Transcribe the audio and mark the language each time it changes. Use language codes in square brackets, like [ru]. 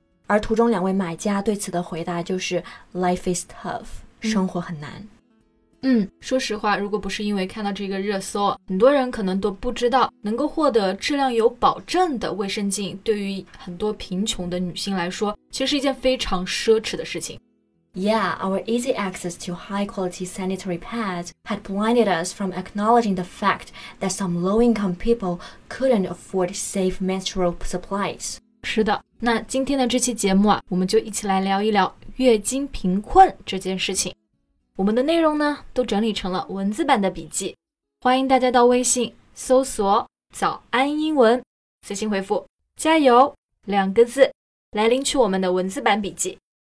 [zh] 而图中两位买家对此的回答就是 [en] Life is tough， [zh] 生活很难。说实话，如果不是因为看到这个热搜，很多人可能都不知道能够获得质量有保证的卫生巾对于很多贫穷的女性来说其实是一件非常奢侈的事情。 [en] Yeah, our easy access to high quality sanitary pads had blinded us from acknowledging the fact that some low income people couldn't afford safe menstrual supplies. [zh] 是的，那今天的这期节目啊，我们就一起来聊一聊月经贫困这件事情。我们的内容呢都整理成了文字版的笔记，欢迎大家到微信搜索早安英文，随心回复加油两个字来领取我们的文字版笔记。